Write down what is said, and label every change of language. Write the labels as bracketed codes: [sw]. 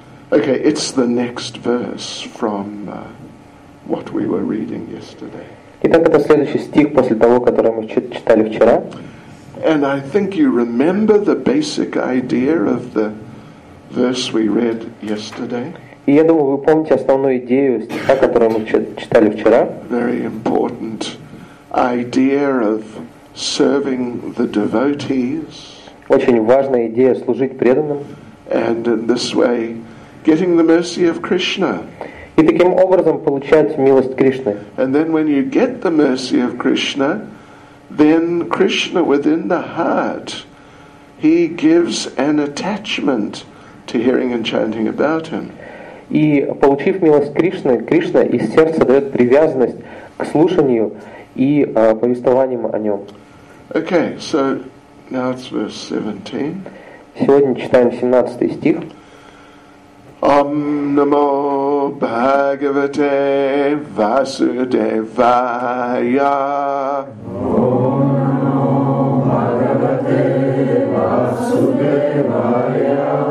[en] Okay, it's the next verse from what we were reading yesterday. [ru] Итак, это следующий стих после того, который мы читали вчера. [en] And I think you remember the basic idea of the verse we read yesterday. [ru] И я думаю, вы помните основную идею стиха, которую мы читали вчера. [en] Very important idea of serving the devotees. [ru] Очень важная идея служить преданным. [en] And in this way, getting the mercy of Krishna. [ru] И таким образом получать милость Кришны. [en] And then when you get the mercy of Krishna, then Krishna within the heart, he gives an attachment to hearing and chanting about him. [ru] И получив милость Кришны, Кришна из сердца дает привязанность к слушанию и повествованию о нем. [en] Okay, so now it's verse 17. [ru] Сегодня читаем 17 стих. [sa] Ом намо Бхагавате Васудевая.